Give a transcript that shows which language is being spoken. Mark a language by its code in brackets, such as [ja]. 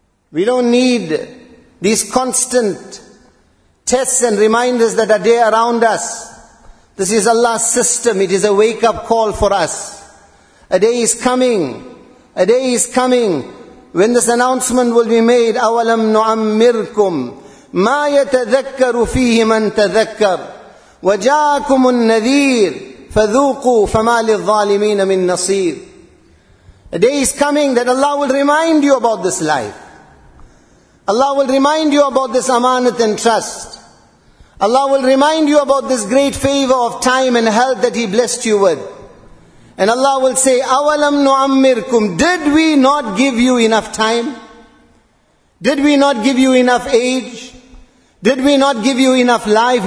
[en] We don't need these constant tests and reminders that are there around us. This is Allah's system. It is a wake-up call for us. A day is coming. A day is coming when this announcement will be made. [ar] أَوَلَمْ نُعَمِّرْكُمْ مَا يَتَذَكَّرُ فِيهِ مَنْ تَذَكَّرُ وَجَاءَكُمُ النَّذِيرُ فَذُوقُوا فَمَا لِلظَّالِمِينَ مِنْ نَصِيرٍ. [en] A day is coming that Allah will remind you about this life. Allah will remind you about this amanat and trust. Allah will remind you about this great favor of time and health that He blessed you with. And Allah will say, [ar] أَوَلَمْ نُعَمِّرْكُمْ, [en] did we not give you enough time? Did we not give you enough age? Did we not give you enough life?